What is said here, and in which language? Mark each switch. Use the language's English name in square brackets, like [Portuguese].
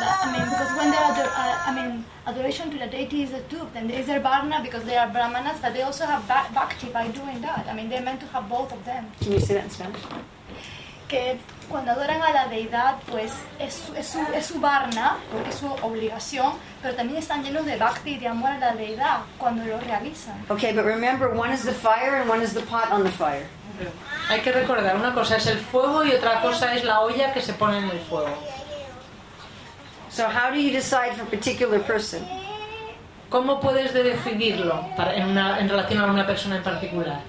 [English] I mean, because when they're adoration to the deity is the two of them. There is their varna because they are brahmanas, but they also have bhakti by doing that. I mean, they're meant to have both of them. Can you say that in Spanish? [Spanish] Que cuando adoran a la deidad, pues es su varna, porque es su obligación, pero también están llenos de bhakti y de amor a la deidad cuando lo realizan. [English] Okay, but remember, one is the fire and one is the pot on the fire. [Spanish] Hay que recordar, una cosa es el fuego y otra cosa es la olla que se pone en el fuego. [English] So how do you decide for a particular person? [Spanish] ¿Cómo puedes decidirlo en relación a una persona en particular?